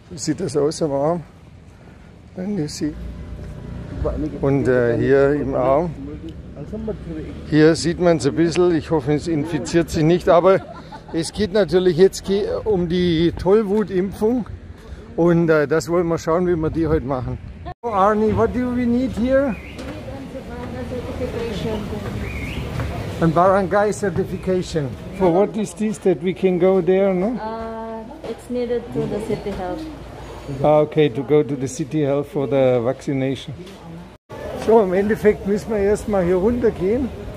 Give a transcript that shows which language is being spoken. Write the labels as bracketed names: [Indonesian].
[German] Wie sieht das aus am Arm? Wenn ihr sie. Und hier im Arm, hier sieht man es ein bisschen, ich hoffe, es infiziert sich nicht, aber es geht natürlich jetzt um die Tollwutimpfung und das wollen wir schauen, wie wir die heute machen. [English] So Arnie, what do we need here? Barangay Barangay Certification. For what is this that we can go there? No? It's needed to the city health. Ah, okay, to go to the city health for the vaccination. [German] So, im Endeffekt müssen wir erstmal hier runter gehen.